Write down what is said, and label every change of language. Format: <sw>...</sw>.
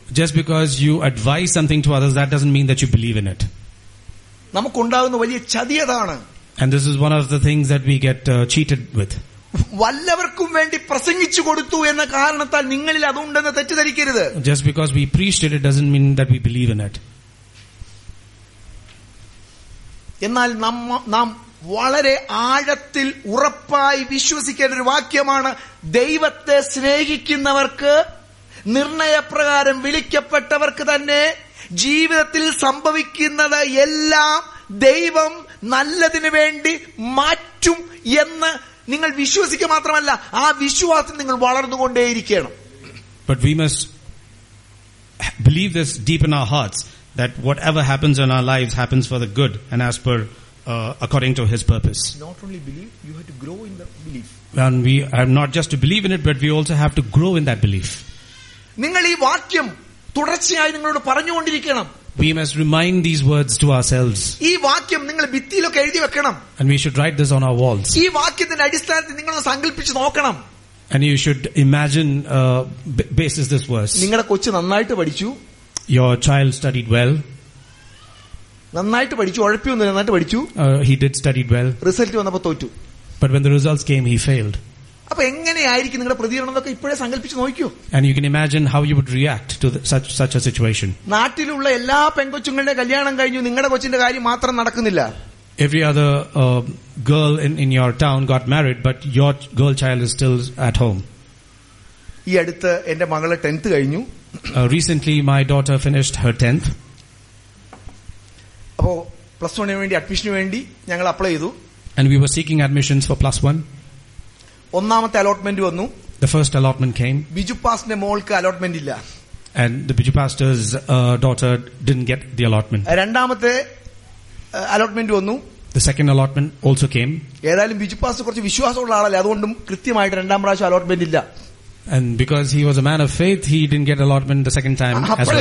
<en>Just because you advise something to others, that doesn't mean that you believe in it.</en> <ml>നമുക്കുണ്ടാകുന്ന വലിയ ചതി അതാണ്.</ml> <en>And this is one of the things that we get cheated with.</en> <ml>വല്ലവർക്കും വേണ്ടി പ്രസംഗിച്ചു കൊടുത്തു എന്ന കാരണത്താൽ നിങ്ങളിൽ അതുണ്ടെന്ന് തെറ്റിദ്ധരിക്കരുത്.</ml> <en>Just because we preached it doesn't mean that we believe in it.</en> <ml>എന്നാൽ നാം വളരെ ആഴത്തിൽ ഉറപ്പായി വിശ്വസിക്കേണ്ട ഒരു വാക്യമാണ്, ദൈവത്തെ സ്നേഹിക്കുന്നവർക്ക്, നിർണയപ്രകാരം വിളിക്കപ്പെട്ടവർക്ക് തന്നെ ജീവിതത്തിൽ സംഭവിക്കുന്നത് എല്ലാം ദൈവം നല്ലതിനു വേണ്ടി മാറ്റും എന്ന് നിങ്ങൾ വിശ്വസിക്കുക മാത്രമല്ല, ആ വിശ്വാസം നിങ്ങൾ വളർന്നുകൊണ്ടേയിരിക്കണം.</ml> <en>But we must believe this deep in our hearts that whatever happens in our lives happens for the good and as per according to his purpose. Not only believe, you have to grow in the belief. And we have not just to believe in it, but we also have to grow in that belief.</en> <ml>നിങ്ങൾ ഈ വാക്യം തുടർച്ചയായി നിങ്ങളോട് പറഞ്ഞുകൊണ്ടിരിക്കണം.</ml> <en>We must remind these words to ourselves.</en> <ml>ഈ വാക്യം നിങ്ങൾ ഭിത്തിയിലൊക്കെ എഴുതി വെക്കണം.</ml> <en>And we should write this on our walls.</en> <ml>ഈ വാക്യത്തിന്റെ അടിസ്ഥാനത്തിൽ നിങ്ങൾ സങ്കൽപ്പിച്ച് നോക്കണം.</ml> <en>And you should imagine basis this verse.</en> <ml>നിങ്ങളെ കൊച്ചു നന്നായിട്ട് പഠിച്ചു.</ml> <en>Your child studied well.</en> <ml>നന്നായിട്ട് പഠിച്ചു, ഉഴപ്പിയൊന്നും, നന്നായിട്ട് പഠിച്ചു.</ml> <en>He did study well.</en> <ml>Result വന്നപ്പോ തോറ്റു.</ml> <en>But when the results came, he failed.</en> <ml>അപ്പോൾ എങ്ങനെയായിരിക്കും നിങ്ങളുടെ പ്രതികരണം എന്നൊക്കെ ഇപ്പോഴേ സങ്കല്പിച്ച് നോക്കൂ.</ml> <en>And you can imagine how you would react to such a situation.</en> <ml>നാട്ടിലുള്ള എല്ലാ പെൺകൊച്ചുങ്ങളുടെ കല്യാണം കഴിഞ്ഞു, നിങ്ങളുടെ കൊച്ചിന്റെ കാര്യം മാത്രം നടക്കുന്നില്ല.</ml> <en>Every other girl in your town got married, but your girl child is still at home.</en> <ml>ഈ അടുത്ത് എന്റെ മകളെ 10th കഴിഞ്ഞു.</ml> <en>Recently my daughter finished her 10th.</en> <ml>അപ്പോ പ്ലസ് വണ്ണിന് വേണ്ടി അഡ്മിഷന് വേണ്ടി ഞങ്ങൾ അപ്ലൈ ചെയ്തു.</ml> <en>And we were seeking admissions for plus one.</en> <ml>ഒന്നാമത്തെ അലോട്ട്മെന്റ് വന്നു.</ml> <en>The first allotment came.</en> <ml>Biju പാസ്റ്റിന്റെ മോൾക്ക് അലോട്ട്മെന്റ് ഇല്ല.</ml> <en>And the Biju pastor's daughter didn't get the allotment.</en> <ml>രണ്ടാമത്തെ അലോട്ട്മെന്റ് വന്നു.</ml> <en>The second allotment also came.</en> <ml>ഏതായാലും ബിജു പാസ്റ്റർ കുറച്ച് വിശ്വാസമുള്ള ആളല്ലേ, അതുകൊണ്ടും കൃത്യമായിട്ട് രണ്ടാം പ്രാവശ്യം അലോട്ട്മെന്റ് ഇല്ല.</ml> <en>And because he was a man of faith, he didn't get allotment the second time as well.</en>